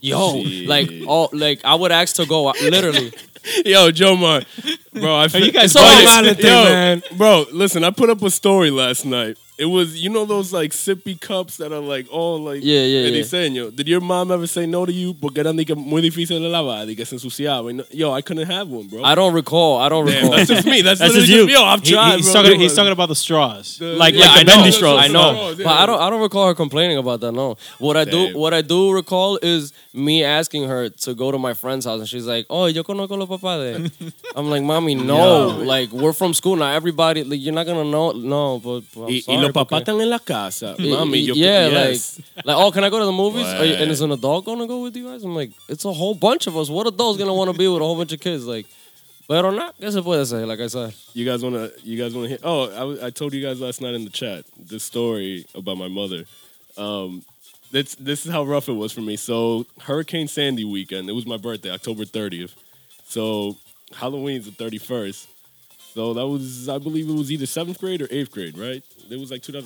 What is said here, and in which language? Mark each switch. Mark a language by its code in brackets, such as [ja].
[en] Yo, I would ask to go, literally. Yo, Jomar, bro, I feel you guys are so violent, man. Bro, listen, I put up a story last night. It was, you know, those like sippy cups that are like all like. Yeah, yeah. And yeah. He's saying, yo, did your mom ever say no to you? [es] Porque eran de que muy difícil de lavar, de que se ensuciaba. [en] Yo, I couldn't have one, bro. I don't recall. Damn, that's just me. That's just you. Yo, I've tried. He's talking about the straws. The bendy straws. I know. Yeah. But I don't recall her complaining about that, no. What I do recall is me asking her to go to my friend's house, and she's like, "Oh, yo conozco los papás de." I'm like, "Mommy, no. Yeah. Like, we're from school. Not everybody, like, you're not going to know." No, but I'm sorry. [es] Los papás están en la casa. Mami, [en] like, "Oh, can I go to the movies?" And is an adult going to go with you guys? I'm like, it's a whole bunch of us. What adult is going to want to be with a whole bunch of kids? [es] Like, pero no, que se puede hacer, [en] like I said. You guys want to hear? Oh, I told you guys last night in the chat this story about my mother. This is how rough it was for me. So, Hurricane Sandy weekend, it was my birthday, October 30th. So, Halloween's the 31st. So that was, I believe it was either 7th grade or 8th grade, right? It was like 2000.